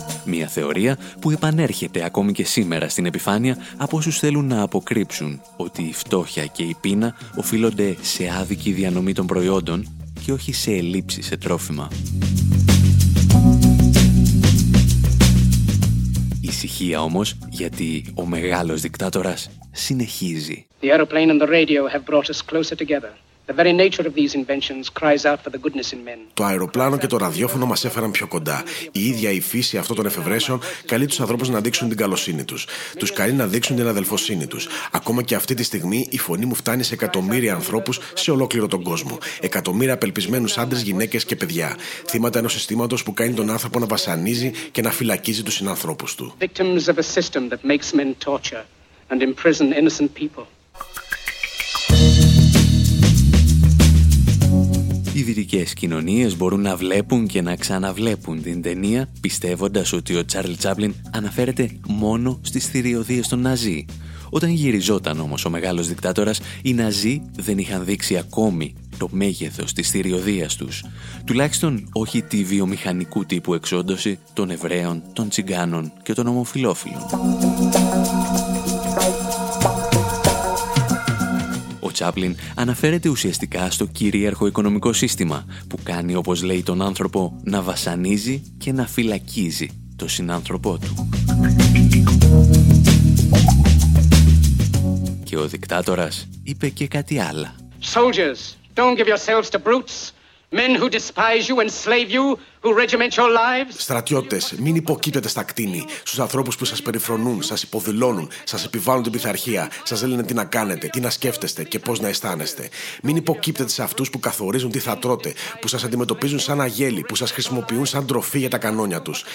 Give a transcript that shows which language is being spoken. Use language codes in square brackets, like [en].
[el] Μία θεωρία που επανέρχεται ακόμη και σήμερα στην επιφάνεια από όσους θέλουν να αποκρύψουν ότι η φτώχεια και η πείνα οφείλονται σε άδικη διανομή των προϊόντων και όχι σε ελλείψη σε τρόφιμα. Ησυχία όμως, γιατί ο μεγάλος δικτάτορας συνεχίζει. [en] The aeroplane and the radio have brought us closer together. The very nature of these inventions cries out for the goodness in men. [el] Το αεροπλάνο και το ραδιόφωνο μας έφεραν πιο κοντά. Η ίδια η φύση αυτών των εφευρέσεων καλεί τους ανθρώπους να δείξουν την καλοσύνη τους. Τους καλεί να δείξουν την αδελφοσύνη τους. Ακόμα και αυτή τη στιγμή η φωνή μου φτάνει σε εκατομμύρια ανθρώπους σε ολόκληρο τον κόσμο. Εκατομμύρια απελπισμένους άντρες, γυναίκες και παιδιά. Θύματα ενός συστήματος που κάνει τον άνθρωπο να βασανίζει και να φυλακίζει τους συνανθρώπους του. [en] Victims of a system that makes men torture and imprison innocent people. [el] Οι δυτικές κοινωνίες μπορούν να βλέπουν και να ξαναβλέπουν την ταινία, πιστεύοντας ότι ο Τσάρλ Τσάπλιν αναφέρεται μόνο στις θηριωδίες των Ναζί. Όταν γυριζόταν όμως ο μεγάλος δικτάτορας, οι Ναζί δεν είχαν δείξει ακόμη το μέγεθος της θηριωδίας τους. Τουλάχιστον όχι τη βιομηχανικού τύπου εξόντωση των Εβραίων, των Τσιγκάνων και των Ομοφυλόφιλων. Ο Τσάπλιν αναφέρεται ουσιαστικά στο κυρίαρχο οικονομικό σύστημα που κάνει, όπως λέει, τον άνθρωπο να βασανίζει και να φυλακίζει το συνάνθρωπό του. Και ο δικτάτορας είπε και κάτι άλλο. [en] Soldiers, don't give yourselves to brutes. Men who despise you, enslave you, who regiment your lives. [el] Στρατιώτες, μην υποκύπτετε στα κτίνη, στους ανθρώπους που σας περιφρονούν, σας υποδηλώνουν, σας επιβάλλουν την πειθαρχία, σας λένε τι να κάνετε, τι να σκέφτεστε και πώς να αισθάνεστε. Μην υποκύπτετε σε αυτούς που καθορίζουν τι θα τρώτε, που σας αντιμετωπίζουν σαν αγέλη, που σας χρησιμοποιούν σαν τροφή για τα κανόνια τους.